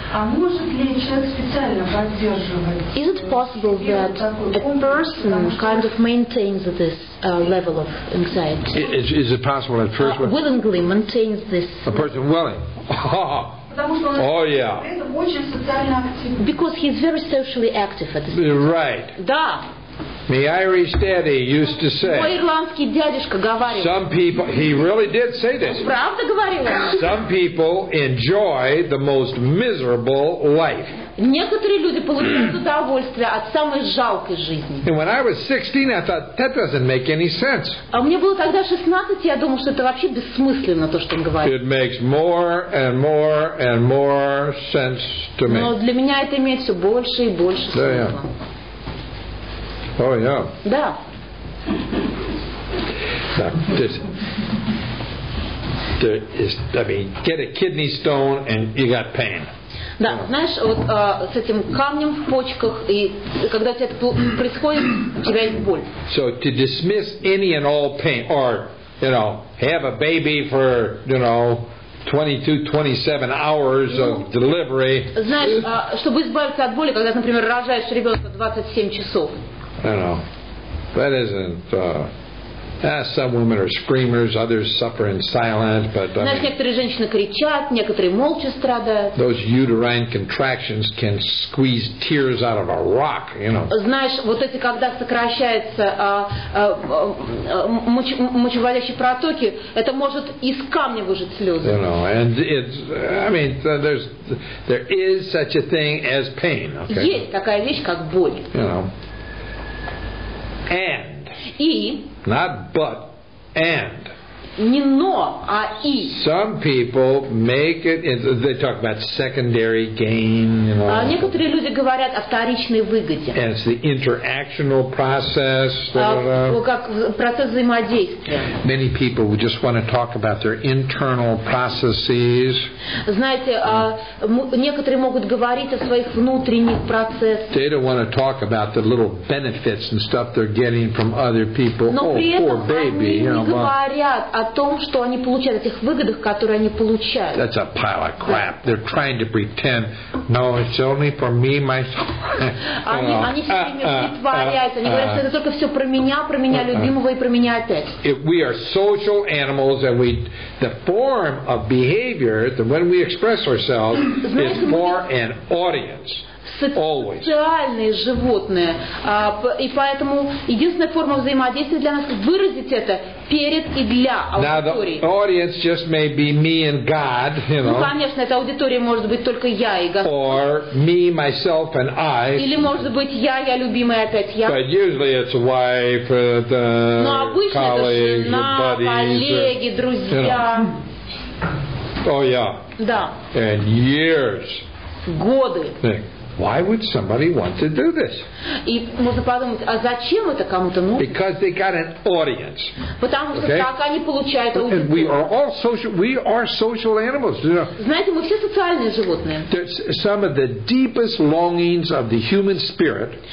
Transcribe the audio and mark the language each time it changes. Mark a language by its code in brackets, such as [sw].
[en] Is it possible that a person kind of maintains this level of anxiety? Is it possible at first? Willingly maintains this. A person willing. Oh yeah. Because he's very socially active at this point. Right. [ru] Да. [en] My Irish daddy used to say. [ru] Мой ирландский дядюшка говорил. [en] Some people, he really did say this. [ru] Правда говорил. [en] Some people enjoy the most miserable life. [ru] Некоторые люди получают удовольствие от самой жалкой жизни. [en] And when I was 16, I thought that doesn't make any sense. [ru] А мне было тогда 16, я думал, что это вообще бессмысленно то, что он говорит. [en] It makes more and more and more sense to me. [ru] Но для меня это имеет все больше и больше смысла. [en] Yeah, yeah. Oh yeah. [ru] Да. [en] Now, this, there is, I mean, get a kidney stone and you got pain. [ru] Да, знаешь, вот с этим камнем в почках и когда тебе это происходит, у тебя есть боль. [en] So to dismiss any and all pain, or you know, have a baby for you know. 22-27 hours of delivery. [ru] Знаешь, чтобы избавиться от боли, когда, например, рожаешь ребенка 27 часов. [en] I know. That isn't. Some women are screamers, others suffer in silence, but. [ru] Знаешь, [en] I mean, [ru] некоторые женщины кричат, некоторые молча страдают. [en] Those uterine contractions can squeeze tears out of a rock, you know. [ru] Знаешь, вот эти, когда сокращаются мочевыводящие протоки, это может из камня выжать слезы. [en] You know, and it's. I mean, there is such a thing as pain. Okay? [ru] Есть такая вещь, как боль. [en] You know. And [ru] и, [en] not but and [ru] не но, а и. [en] Some people make it they talk about secondary gain, you know. [ru] Некоторые люди говорят о вторичной выгоде. [en] And it's the interactional process. [ru] Как процесс взаимодействия. [en] Many people would just want to talk about their internal processes. [ru] Знаете, некоторые могут говорить о своих внутренних процессах. [en] They don't want to talk about the little benefits and stuff they're getting from other people. [ru] Но [en] oh, [ru] при этом [en] poor baby, [ru] они [en] you know, [ru] не говорят о том, что они получают, о тех выгодах, которые они получают. [en] That's a pile of crap. They're trying to pretend. No, it's only for me, myself. [ru] Они все время притворяются. Они говорят, что это только все про меня любимого и про меня опять. [en] If we are social animals and we, the form of behavior, when we express ourselves, is for an audience. [ru] социальные животные. И поэтому единственная форма взаимодействия для нас выразить это перед и для аудитории. Ну, конечно, эта аудитория может быть только я и Господь. [en] Or me, myself, and I. [ru] Или может быть я любимая, опять я. [en] But usually it's wife, colleagues, [ru] коллеги, друзья. [en] Oh, yeah. [ru] Да. [en] And years. [ru] Годы. [en] Why would somebody want to do this? [ru] И можно подумать, а зачем это кому-то нужно? [en] Because they got an audience. [ru] Потому что так они получают аудиторию. [en] And we are all social. We are social animals. You know, [ru] знаете, мы все социальные животные. [en] There's some of the deepest longings of the human spirit.